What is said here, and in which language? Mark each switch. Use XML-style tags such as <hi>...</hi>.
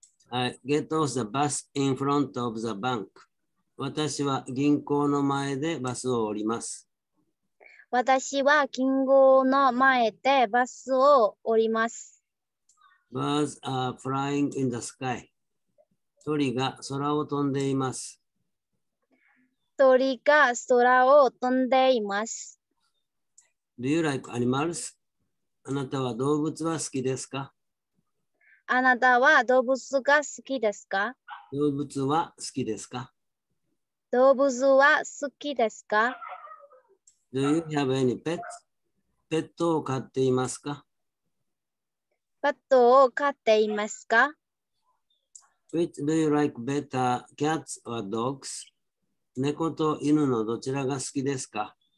<en>I get off the bus in front of the bank.</en> <ja>私は銀行の前でバスを降ります。私は銀行の前でバスを降ります。</ja> <en>Birds are flying in the sky.</en> <ja>鳥が空を飛んでいます。鳥が空を飛んでいます。</ja> <en>Do you like animals?</en> <ja>あなたは動物は好きですか? あなたは動物が好きですか? 動物は好きですか? 動物は好きですか?</ja> <en>Do you have any pets?</en> <ja>ペットを飼っていますか? ペットを飼っていますか?</ja> <en>Which do you like better, cats or dogs?</en> <ja>猫と犬のどちらが好きですか?</ja>